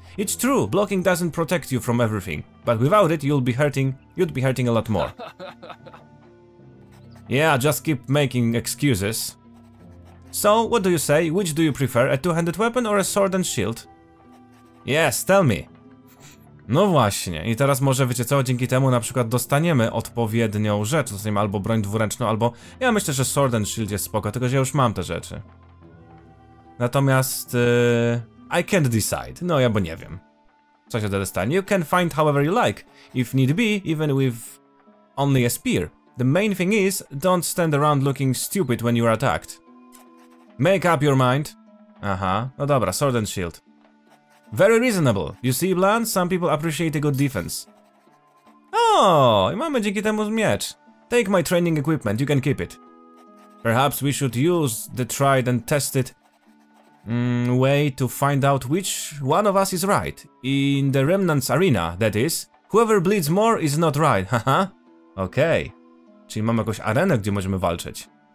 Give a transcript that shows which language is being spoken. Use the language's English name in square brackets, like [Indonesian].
[English] It's true, blocking doesn't protect you from everything, but without it, you'd be hurting a lot more. Yeah, just keep making excuses. So, what do you say? Which do you prefer, a two-handed weapon or a sword and shield? Yes, tell me. [Polish] No właśnie, i teraz może wiecie co, dzięki temu na przykład dostaniemy odpowiednią rzecz, dostaniemy albo broń dwuręczną, albo... Ja myślę, że sword and shield jest spoko, tylko że ja już mam te rzeczy. Natomiast... [English] I can't decide, [Polish] no ja bo nie wiem. Co się dostanie? [English] You can find however you like, if need be, even with only a spear. The main thing is, don't stand around looking stupid when you're attacked. Make up your mind. [Polish] Aha, no dobra, [English] sword and shield. Very reasonable. You see, Bland, some people appreciate a good defense. [Polish] Oh, i mamy dzięki temu miecz. [English] Take my training equipment, you can keep it. Perhaps we should use the tried and tested way to find out which one of us is right. In the Remnants arena, that is. Whoever bleeds more is not right, haha. Okej. Okay. [Polish] Czyli mamy jakąś arenę, gdzie możemy walczyć.